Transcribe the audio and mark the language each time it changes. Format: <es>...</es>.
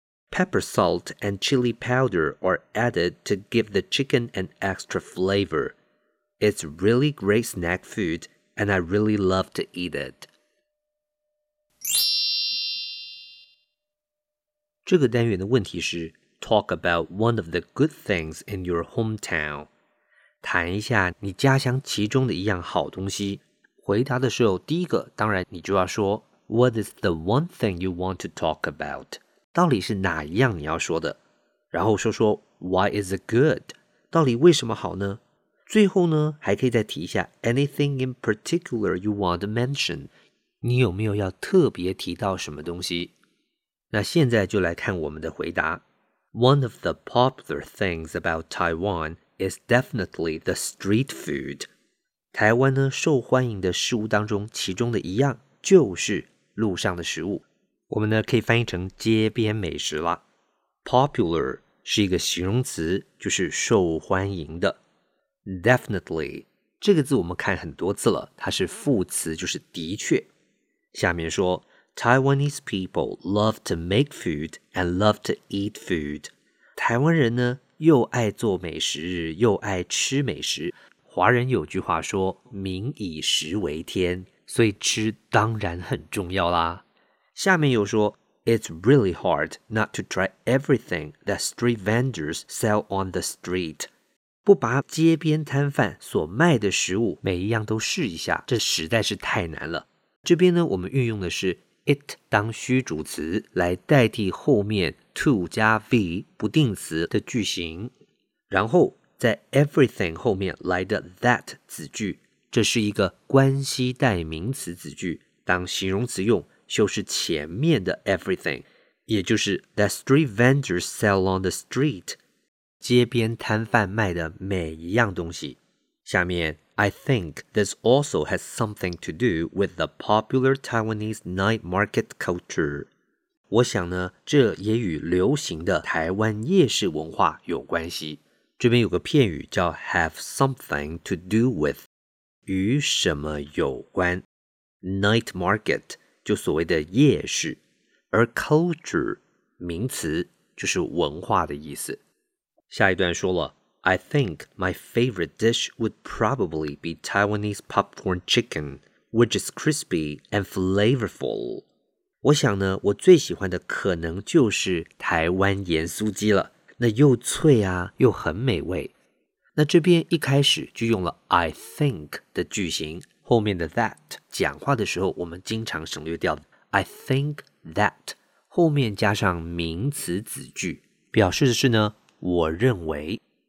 <en>Pepper salt and chili powder are added to give the chicken an extra flavor. It's really great snack food, and I really love to eat it.</en> <zh>这个单元的问题是</zh> <en>talk about one of the good things in your hometown.</en> <zh>谈一下你家乡其中的一样好东西。回答的时候，第一个当然你就要说</zh> <en>what is the one thing you want to talk about?</en> <zh>到底是哪一样你要说的？然后说说</zh> <en>why is it good?</en> <zh>到底为什么好呢？最后呢，还可以再提一下</zh> <en>anything in particular you want to mention?</en> <zh>你有没有要特别提到什么东西？那现在就来看我们的回答。</zh> <en>One of the popular things about Taiwan is definitely the street food.</en> <zh>台湾呢，受欢迎的食物当中，其中的一样就是路上的食物。我们呢可以翻译成街边美食啦。 Popular 是一个形容词，就是受欢迎的。</zh> <en>Definitely</en> <zh>这个字我们看很多次了，它是副词，就是的确。下面说</zh> <en>Taiwanese people love to make food and love to eat food。</en> <zh>台湾人呢又爱做美食，又爱吃美食。华人有句话说“民以食为天”，所以吃当然很重要啦。下面又说</zh> <en>It's really hard not to try everything that street vendors sell on the street.</en> <zh>不把街边摊贩所卖的食物每一样都试一下，这实在是太难了。这边呢，我们运用的是 it 当虚主词来代替后面 to 加 v 不定词的句型，然后在 everything 后面来的 that 子句，这是一个关系代名词子句，当形容词用。就是前面的 everything, 也就是</zh> <en>that street vendors sell on the street,</en> <zh>街边摊贩卖的每一样东西。下面</zh> <en>I think this also has something to do with the popular Taiwanese night market culture.</en> <zh>我想呢，这也与流行的台湾夜市文化有关系。这边有个片语叫</zh> <en>have something to do with,</en> <zh>与什么有关。 Night market,就所谓的夜市，而 culture 名词就是文化的意思。下一段说了</zh> <en>I think my favorite dish would probably be Taiwanese popcorn chicken, which is crispy and flavorful.</en> <zh>我想呢，我最喜欢的可能就是台湾盐酥鸡了，那又脆啊，又很美味。那这边一开始就用了 I think 的句型，后面的 that 讲话的时候我们经常省略掉</zh> <en>I think that</en> <zh>后面加上名词子句，表示的是呢我认为。</zh>